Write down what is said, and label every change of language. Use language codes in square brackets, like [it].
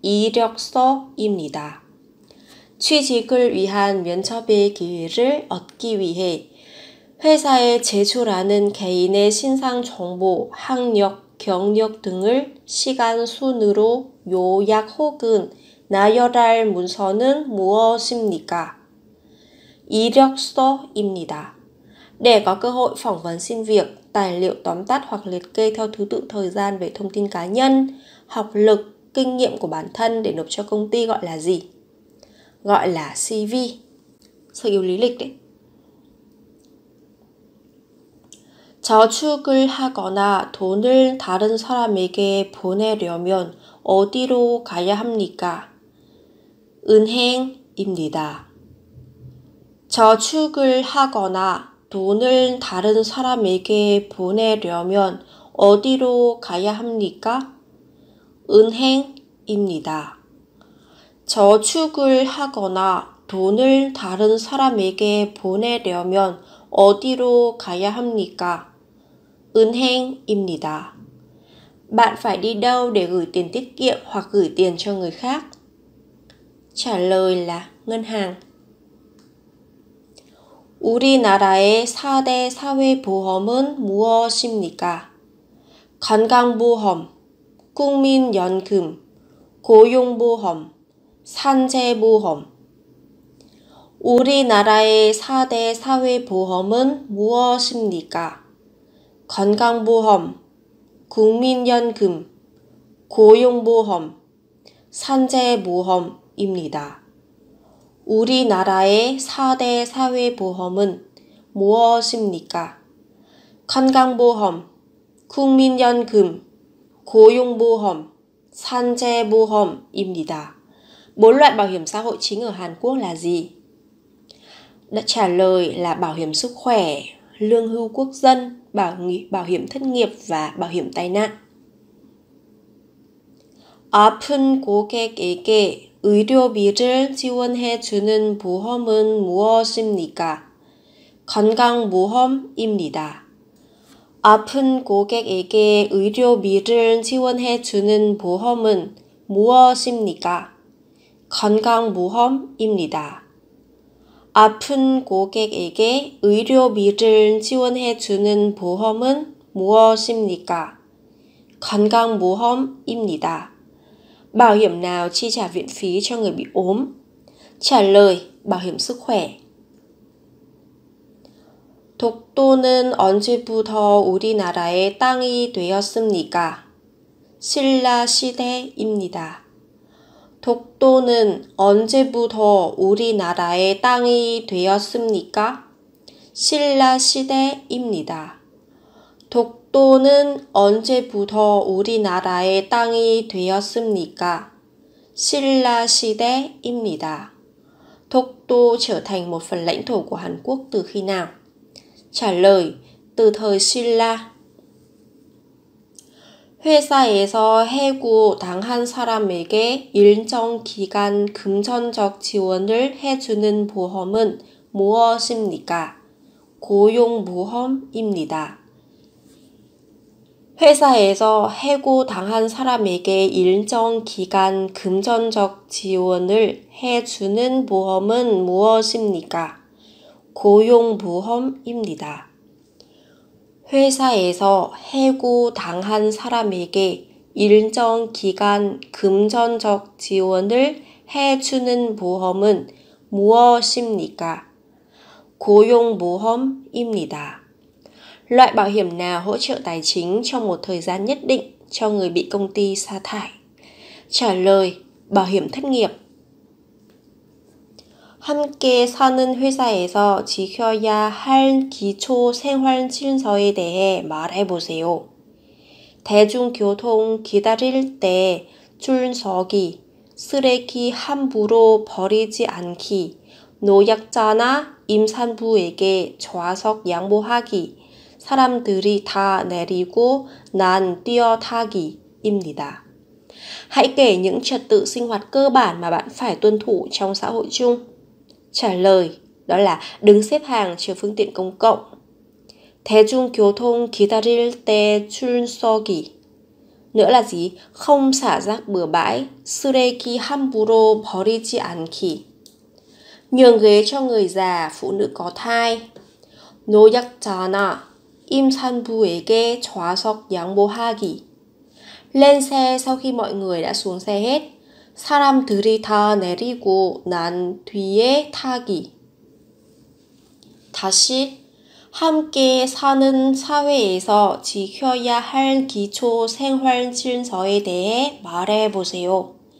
[ko] 이력서입니다. 취직을 위한 면접의 기회를 얻기 위해 회사에 제출하는 개인의 신상 정보, 학력, 경력 등을 시간순으로 요약 혹은 나열할 문서는 무엇입니까? 이력서입니다. [vi] Để có cơ hội phỏng vấn xin việc, tài liệu tóm tắt hoặc liệt kê theo thứ tự thời gian về thông tin cá nhân, học lực, kinh nghiệm của bản thân để nộp cho công ty gọi là gì? Gọi là CV, sơ yếu lý lịch đấy. [ko] 저축을 하거나 돈을 다른 사람에게 보내려면 어디로 가야 합니까? 은행입니다. 저축을 하거나 돈을 다른 사람에게 보내려면 어디로 가야 합니까? 은행입니다. 저축을 하거나 돈을 다른 사람에게 보내려면 어디로 가야 합니까? 은행입니다. [vi] Bạn phải đi đâu để gửi tiền tiết kiệm hoặc gửi tiền cho người khác? Trả lời là ngân hàng. [ko] 우리나라의 4대 사회보험은 무엇입니까? 건강보험, 국민연금, 고용보험, 산재보험. 우리나라의 4대 사회보험은 무엇입니까? 건강보험, 국민연금, 고용보험, 산재보험입니다. 우리나라의 4대 사회보험은 무엇입니까? 건강보험, 국민연금, 고용보험, 산재보험입니다. [vi] Bốn loại bảo hiểm xã hội chính ở Hàn Quốc là gì? Đã trả lời là bảo hiểm sức khỏe, lương hưu quốc dân, bảo hiểm thất nghiệp và bảo hiểm tai nạn. [ko] 아픈 고객에게 의료비를 지원해 주는 보험은 무엇입니까? 건강보험입니다. 아픈 고객에게 의료비를 지원해 주는 보험은 무엇입니까? 건강보험입니다. 아픈 고객에게 의료비를 지원해 주는 보험은 무엇입니까? 건강보험입니다. [vi] Bảo hiểm nào chi trả viện phí cho người bị ốm? Trả lời, bảo hiểm sức khỏe. [ko] 독도는 언제부터 우리나라의 땅이 되었습니까? 신라 시대입니다. 독도는 언제부터 우리나라의 땅이 되었습니까? 신라 시대입니다. 독도는 언제부터 우리나라의 땅이 되었습니까? 신라 시대입니다. [vi] 독도 trở thành một phần lãnh thổ của Hàn Quốc từ khi nào? Trả lời, từ thời Silla. [ko] 회사에서 해고 당한 사람에게 일정 기간 금전적 지원을 해주는 보험은 무엇입니까? 고용보험입니다. 회사에서 해고 당한 사람에게 일정 기간 금전적 지원을 해주는 보험은 무엇입니까? 고용보험입니다. 회사에서 해고 당한 사람에게 일정 기간 금전적 지원을 해주는 보험은 무엇입니까? 고용보험입니다. [vi] Loại bảo hiểm nào hỗ trợ tài chính trong một thời gian nhất định cho người bị công ty sa thải? Trả lời, bảo hiểm thất nghiệp. [ko] 함께 사는 회사에서 지켜야 할 기초 생활 질서에 대해 말해보세요. 대중교통 기다릴 때줄 서기, 쓰레기 함부로 버리지 않기, 노약자나 임산부에게 좌석 양보하기, 사람들이 다 내리고 난 뛰어타기입니다. [vi] Hãy kể những trật tự sinh hoạt cơ bản mà bạn phải tuân thủ trong xã hội chung. Trả lời, đó là đứng xếp hàng chờ phương tiện công cộng. [ko] 대중교통 기다릴 때 줄 서기. [vi] Nữa là gì? Không xả rác bừa bãi. [ko] 쓰레기 함부로 버리지 않기. [vi] Nhường ghế cho người già, phụ nữ có thai. [ko] 노약자나 임산부에게 좌석 양보하기. [vi] Lên xe sau khi mọi người đã xuống xe hết. [ko] 사람들이 다 내리고 난 뒤에 타기. 다시 함께 사는 사회에서 지켜야 할 기초 생활 질서에 대해 말해 보세요.